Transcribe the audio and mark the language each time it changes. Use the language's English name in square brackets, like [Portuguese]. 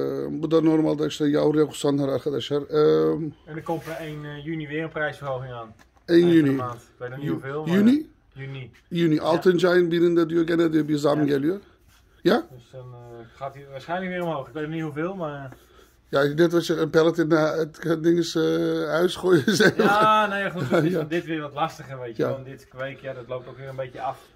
[Turkish] Bu da normalde işte yavru yakusanlar arkadaşlar. [Dutch] En er komt 1 juni weer een prijsverhoging aan. 1 juni. Ik weet nog niet hoeveel. Juni? Juni. Juni. [Turkish] Altıncı ayın birinde diyor gene diyor bir zam, ja, geliyor. [Dutch] Ja? Dus dan gaat hij waarschijnlijk weer omhoog. Ik weet niet hoeveel, maar ja, net als je een pallet in het ding is huis gooien. Ja, nou ja, goed. Het is ja, dit weer wat lastiger, weet je. Ja. Want dit kweek, ja, dat loopt ook weer een beetje af.